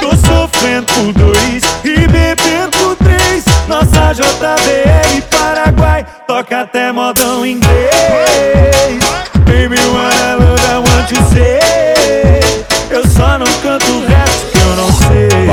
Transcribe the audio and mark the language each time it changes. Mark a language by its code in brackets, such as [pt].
[pt] Tô sofrendo por dois e bebendo por três. Nossa JBL Paraguai toca até modão inglês. [en] Baby, what I love, I want to say. [pt] Eu só não canto o resto que eu não sei.